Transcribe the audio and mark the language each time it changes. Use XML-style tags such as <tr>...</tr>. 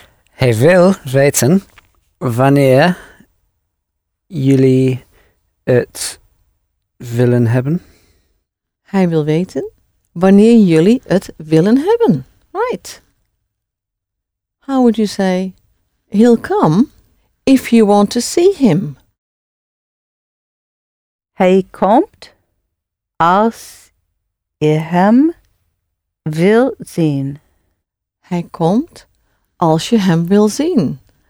<nl>Hij wil weten wanneer jullie het willen hebben. Hij wil weten wanneer jullie het willen hebben.</nl> <en>Right. How would you say, he'll come if you want to see him?</en> <nl>Hij komt als je hem wil zien. Hij komt als je hem wil zien.</nl>